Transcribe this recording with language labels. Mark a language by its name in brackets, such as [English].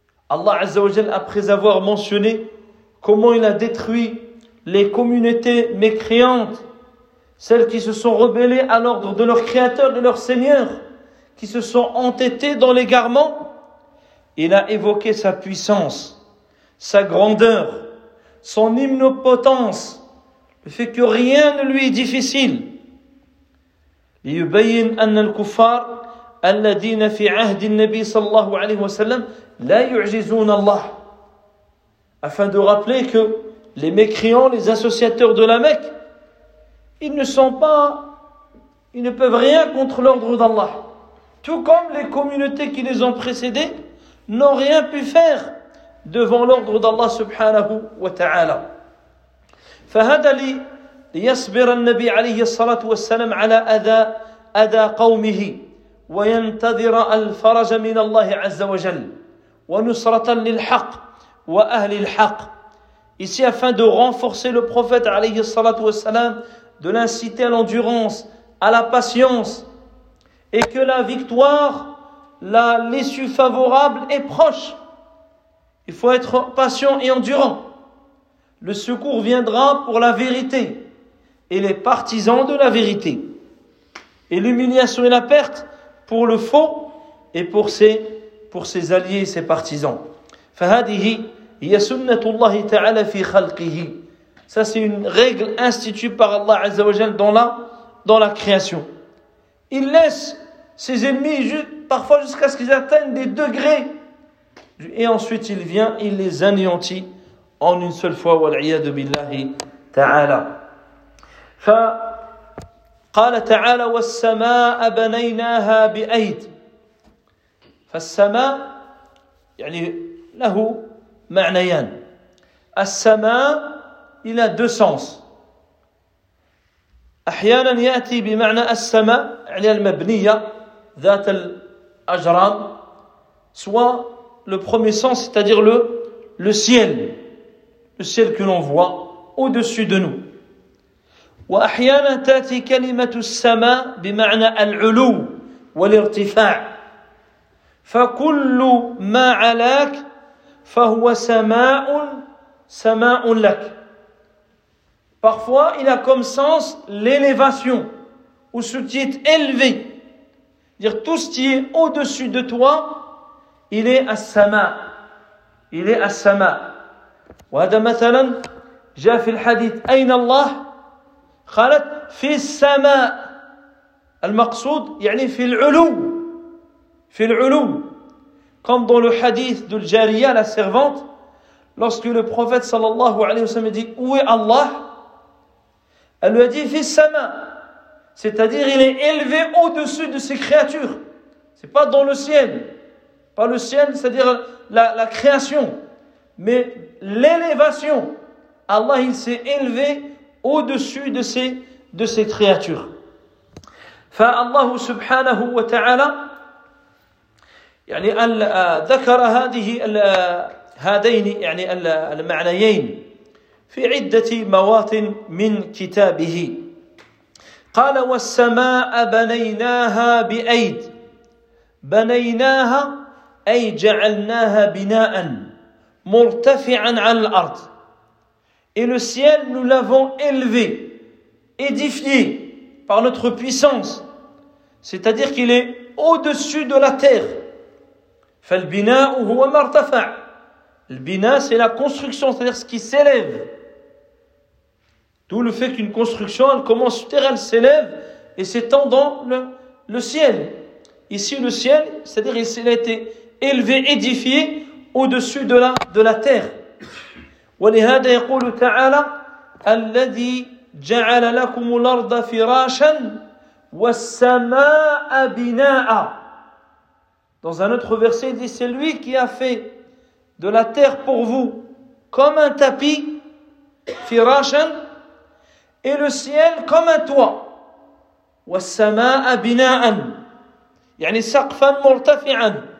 [French] الله عز وجل après avoir mentionné comment il a détruit les communautés mécréantes, celles qui se sont rebellées à l'ordre de leur créateur et leur seigneur, qui se sont entêtées dans l'égarement, il a évoqué sa puissance, sa grandeur, son omnipotence, le fait que rien ne lui est difficile. [Arabic] ليبين أن الكفار الذين في عهد النبي صلى الله عليه وسلم لا يعجزون الله. [French] Afin de rappeler que les mécréants, les associateurs de la Mecque, ils ne peuvent rien contre l'ordre d'Allah. Tout comme les communautés qui les ont précédées n'ont rien pu faire devant l'ordre d'Allah subhanahu wa ta'ala. [Arabic] فهذا ليصبر النبي عليه الصلاة والسلام على أذى قومه وينتظر الفرج من الله عز وجل ونصرة للحق وأهل الحق. [French] Ici, afin de renforcer le prophète عليه الصلاة والسلام, de l'inciter à l'endurance, à la patience, et que la victoire, l'issue favorable est proche. Il faut être patient et endurant. Le secours viendra pour la vérité et les partisans de la vérité. Et l'humiliation et la perte pour le faux et pour ses alliés et ses partisans. [Arabic] فهذه هي سنة الله تعالى في خلقه. [French] Ça c'est une règle instituée par Allah Azza wa Jal dans la création. Il laisse ses ennemis parfois jusqu'à ce qu'ils atteignent des degrés. Et ensuite il vient, il les anéantit en une seule fois. [Arabic] وَالْعِيَادُ بِاللَّهِ تَعَالَى. فَقَالَ تَعَالَى وَالسَّمَاءَ بَنَيْنَاهَا بِأَيْدٍ. فالسماء يعني له معنيان. [French] السماء il a deux sens. [Arabic] احيانا ياتي بمعنى السماء يعني المبنيه ذات الاجرام. [French] Soit le premier sens, c'est-à-dire le ciel que l'on voit au-dessus de nous. [Arabic] واحيانا تاتي كلمه السماء بمعنى العلو والارتفاع. فكل ما علاك فهو سماء لك. [French] Parfois, il a comme sens l'élévation, ou ce qui est élevé. Dire tout ce qui est au-dessus de toi, il est as-sama. Il est as-sama. [Arabic] وهذا مثلا جاء في الحديث أين الله؟ قالت في السماء. المقصود يعني في العلو. في العلو. [French] Comme dans le hadith de Jariya, la servante, lorsque le prophète sallallahu alayhi wa sallam dit où est Allah? Elle lui a dit fis sama, c'est-à-dire il est élevé au-dessus de ses créatures. C'est pas dans le ciel, pas le ciel, c'est-à-dire la création, mais l'élévation. Allah, il s'est élevé au-dessus de ses créatures. [Arabic] Fa Allah subhanahu wa ta'ala يعني ذكر هذه هذين يعني المعنيين في عدة مواطن من كتابه. قال والسماء بنيناها بأيد. بنيناها أي جعلناها بناء مرتفعا على الأرض. [French] Et le ciel nous l'avons élevé, édifié par notre puissance. C'est-à-dire qu'il est au-dessus de la terre. [Arabic] فالبناء هو ما ارتفع. [French] البناء c'est la construction, c'est-à-dire ce qui s'élève. D'où le fait qu'une construction elle commence sur terre, elle s'élève et s'étend dans le ciel. Ici le ciel, c'est-à-dire il a été élevé, édifié au-dessus de la terre. [Arabic] ولهذا يقول تعالى الذي جعل لكم الأرض فراشا والسماء بناء. [French] Dans un autre verset, il dit « C'est lui qui a fait de la terre pour vous comme un tapis, firashan, et le ciel comme un toit. »« [Arabic] Wassama'a bina'an »« Yani saqfan murtafi'an